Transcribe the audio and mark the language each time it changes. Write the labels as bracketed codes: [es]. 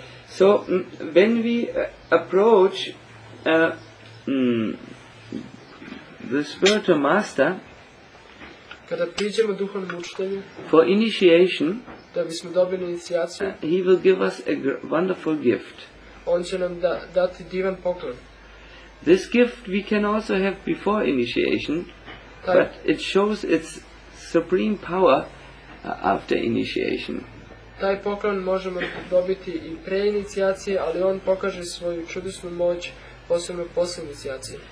[en] So when we approach the spiritual master, [sr] kada priđemo duhovnom učitelju [en] for initiation, [sr] da bismo dobili inicijaciju, [en] he will give us a wonderful gift. [sr] On će nam dati divan poklon. [en] This gift we can also have before initiation, but it shows its supreme power after initiation. [sr] Taj poklon možemo dobiti i pre inicijacije, ali on pokaže svoju čudesnu moć posebno posle inicijacije.